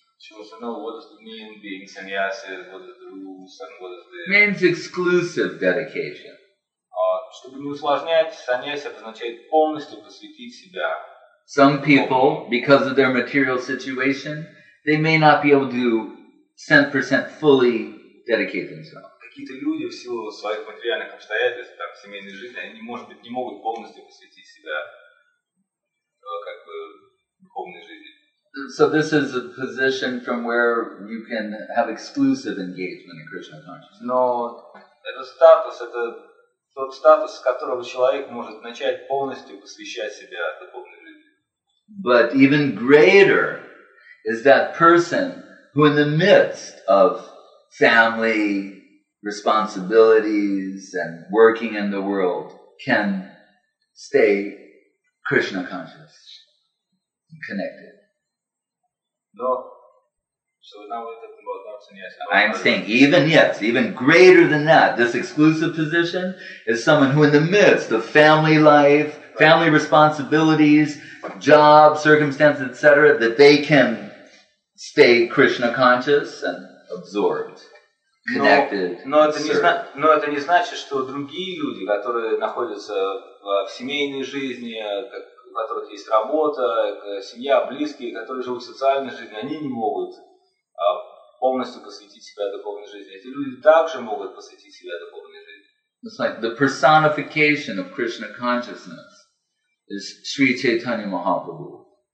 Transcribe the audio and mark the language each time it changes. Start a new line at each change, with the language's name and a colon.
English: What does it mean being sannyasi? What are the rules and what is the... It means exclusive dedication.
Russian: Чтобы не усложнять, sannyasi означает полностью посвятить себя.
English: Some people, because of their material situation, they may not be able to 100% fully dedicate themselves.
Russian: Какие-то люди в силу своих материальных обстоятельств, там, семейной жизни, они, может быть, не могут полностью посвятить себя духовной жизни.
English: So this is a position from where you can have exclusive engagement in Krishna consciousness.
Russian: Но этот статус, это тот статус, с которого человек может начать полностью посвящать себя духовной жизни.
English: But even greater is that person who in the midst of family responsibilities and working in the world can stay Krishna conscious, connected. Но, so now we're talking about non-sannyasi. I'm saying even, yes, even greater than that, this exclusive position is someone who in the midst of family life, right, family responsibilities, job, circumstances, etc., that they can stay Krishna conscious and absorbed, connected.
Russian: Это не значит, что другие люди, которые находятся в семейной жизни, у которых есть работа, семья, близкие, которые живут в социальной жизни, они не могут полностью посвятить себя духовной жизни. Эти люди также могут посвятить себя духовной жизни.
English: It's like the personification of Krishna consciousness is Sri Chaitanya Mahaprabhu.